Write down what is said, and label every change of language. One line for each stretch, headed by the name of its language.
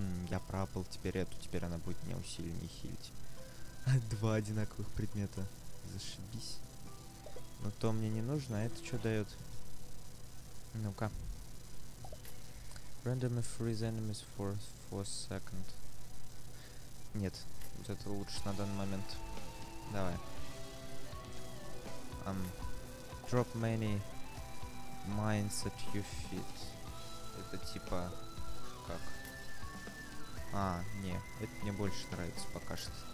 Russian: я пропал теперь эту, теперь она будет меня усиленнее хилить. Два одинаковых предмета. Зашибись. Но то мне не нужно, а это что дает? Ну-ка.
English: Randomly freeze enemies for second.
Russian: Нет, вот это лучше на данный момент. Давай.
English: Drop many mines at your feet.
Russian: Это типа... Как? А, не, это мне больше нравится пока что.